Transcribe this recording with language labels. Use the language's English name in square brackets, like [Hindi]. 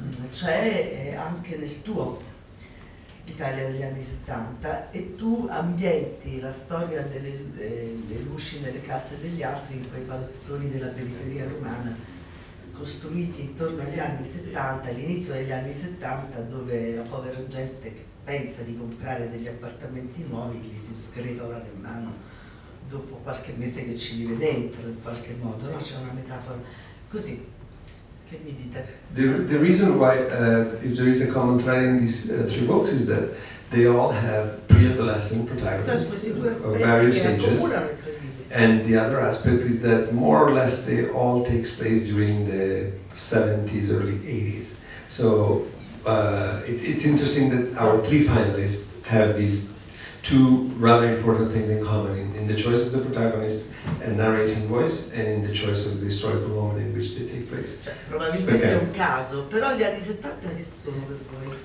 [Italian] c'è anche nel tuo Italia degli anni 70, e tu ambienti la storia delle le luci nelle casse degli altri in quei palazzoni della periferia romana costruiti intorno agli anni 70, all'inizio degli anni 70, dove la povera gente che pensa di comprare degli appartamenti nuovi li si scredora in mano dopo qualche mese che ci vive dentro, in qualche modo, no? C'è una metafora così. [English] The reason why, if there is a common thread in these three books, is that they all have pre-adolescent protagonists of various ages, and the other aspect is that more or less they all take place during the 70s, early 80s. So it's interesting that our three finalists have these two rather important things in common, in the choice of the protagonist and narrating voice, and in the choice of the historical moment in which they take place. [Italian] Probabilmente è un caso, però gli anni 70 che sono per voi?